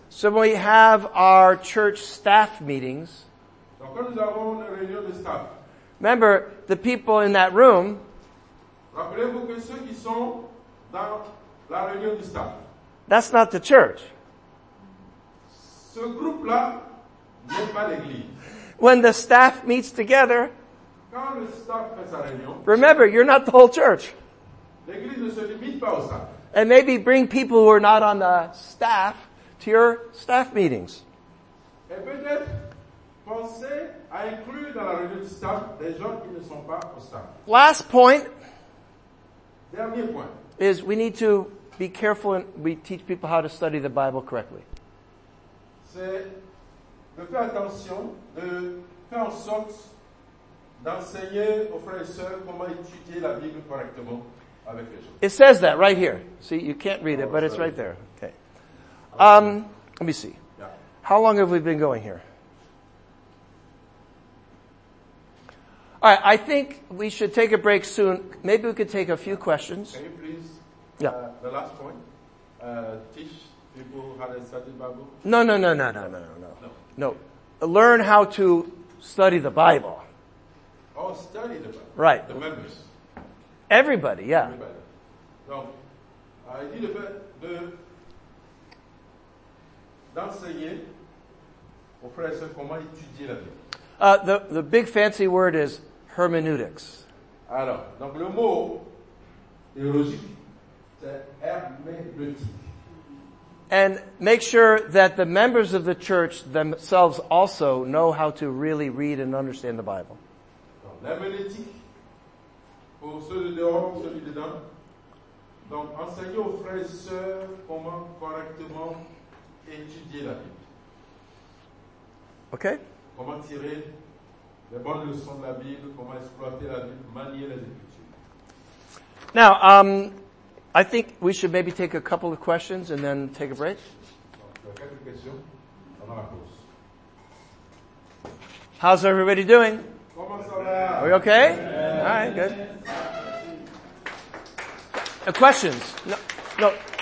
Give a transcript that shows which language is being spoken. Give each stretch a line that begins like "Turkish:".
English: So when we have our church staff meetings,
French: donc quand nous avons une réunion de staff,
English: remember the people in that room.
French: Rappelez-vous que ceux qui sont dans la réunion du staff.
English: That's not the church.
French: Ce groupe-là n'est pas l'église.
English: When the staff meets together,
French: quand le staff fait sa réunion,
English: remember, you're not the whole church.
French: L'église ne se limite pas au staff.
English: And maybe bring people who are not on the staff to your staff meetings.
French: Et peut-être pensez à inclure dans la réunion du staff des gens qui ne sont pas au staff.
English: Last point.
French: Dernier point.
English: Is we need to be careful and we teach people how to study the Bible correctly.
French: C'est de faire attention, de faire en sorte d'enseigner aux frères et sœurs comment étudier la Bible correctement avec les gens.
English: It says that right here. See, you can't read it, but it's right there. Okay. Let me see. How long have we been going here? All right, I think we should take a break soon. Maybe we could take a few questions. Can you please? Yeah. The last point. Teach people how to study the Bible. No. No. Learn how to study the Bible. Oh, study the Bible. Right. The members. Everybody. Yeah. Everybody.
French: Donc, il est de d'enseigner aux frères comment étudier la Bible.
English: The big fancy word is hermeneutics.
French: Alors, donc le mot théologique, c'est hermeneutique.
English: And make sure that the members of the church themselves also know how to really read and understand the Bible.
French: Donc, l'herméneutique, pour ceux de dehors, ceux de dedans, donc enseigner aux frères et sœurs comment correctement étudier la Bible.
English: Okay.
French: Comment tirer les bonnes leçons de la Bible, comment exploiter la Bible, manier les écritures.
English: Now, I think we should maybe take a couple of questions and then take a break.
French: Quelques questions avant la pause.
English: How's everybody doing?
French: Comment ça va?
English: Are you okay? Yeah. All right, good. Questions? No.